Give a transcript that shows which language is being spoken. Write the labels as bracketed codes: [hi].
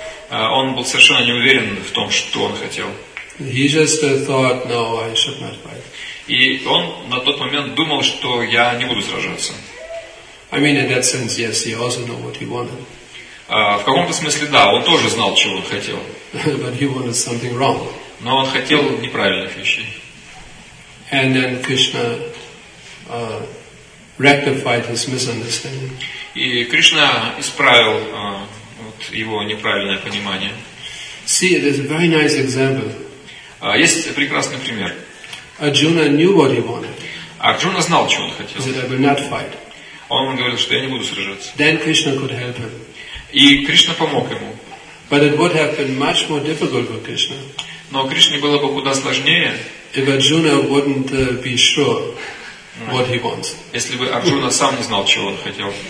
[ru] Он был совершенно не уверен в том, что он хотел. [en] He just thought, no, I should not fight. [ru] И он на тот момент думал, что я не буду сражаться. [en] I mean, in that sense, yes, he also knew what he wanted. [ru] В каком-то смысле, да, он тоже знал, чего он хотел. [en] But he wanted something wrong. [ru] Но он хотел неправильных вещей. [en] And then Krishna rectified his misunderstanding. [ru] И Кришна исправил вот его неправильное понимание. [en] See, there's a very nice example. [ru] Есть прекрасный пример. [en] Arjuna knew what he wanted. [ru] Арджуна знал, чего он хотел. [en] He said, I will not fight. [ru] Он говорил, что я не буду сражаться. [en] Then Krishna could help him. [ru] И Кришна помог ему. [en] But it would have been much more difficult for Krishna. [ru] Но Кришне было бы куда сложнее. [en] If Arjuna wouldn't be sure what he wants. [ru] Если бы Арджуна сам не знал, чего он хотел.